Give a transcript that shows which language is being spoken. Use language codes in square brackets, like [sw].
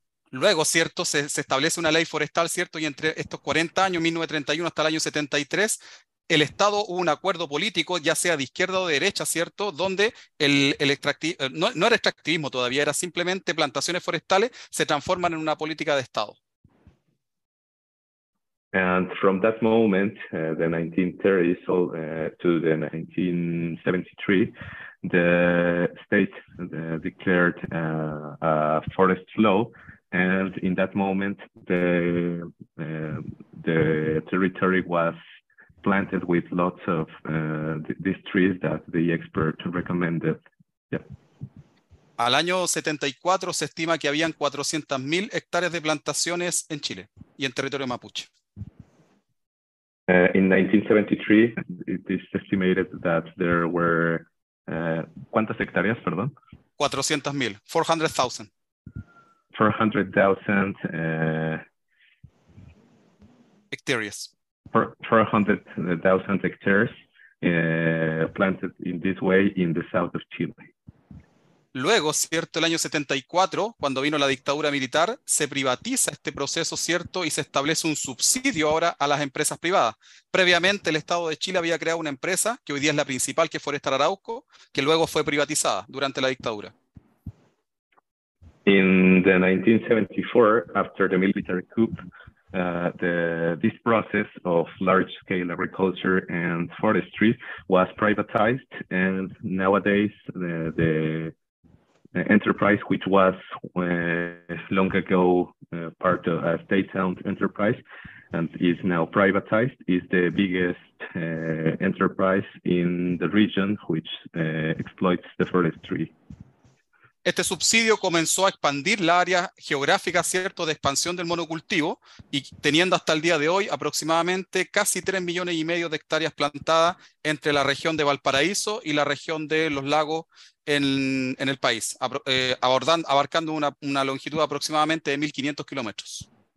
[es] Luego, ¿cierto?, se establece una ley forestal, ¿cierto?, y entre estos 40 años, 1931 hasta el año 73, el Estado hubo un acuerdo político, ya sea de izquierda o de derecha, ¿cierto?, donde el extractivismo, no era extractivismo todavía, era simplemente plantaciones forestales, se transforman en una política de Estado. [en] And from that moment, the 1930s to the 1973, the state declared a forest law. And in that moment, the territory was planted with lots of these trees that the expert recommended. Yeah. [es] Al año 74 se estima que habían 400,000 hectáreas de plantaciones en Chile y en territorio mapuche. [en] In 1973, it is estimated that there were [es] ¿cuántas hectáreas, perdón? 400,000, 400,000. 400,000 [en] hectares. 400,000 hectares planted in this way in the south of Chile. [es] Luego, cierto, el año 74, cuando vino la dictadura militar, se privatiza este proceso, cierto, y se establece un subsidio ahora a las empresas privadas. Previamente, el Estado de Chile había creado una empresa que hoy día es la principal, que es Forestal Arauco, que luego fue privatizada durante la dictadura. [en] In the 1974, after the military coup, this process of large-scale agriculture and forestry was privatized, and nowadays the enterprise, which was long ago part of a state-owned enterprise and is now privatized, is the biggest enterprise in the region which exploits the forestry. [es] Este subsidio comenzó a expandir la área geográfica, cierto, de expansión del monocultivo, y teniendo hasta el día de hoy aproximadamente casi 3,5 millones de hectáreas plantadas entre la región de Valparaíso y la región de Los Lagos en el país, abarcando una longitud de aproximadamente de 1,500 kilómetros.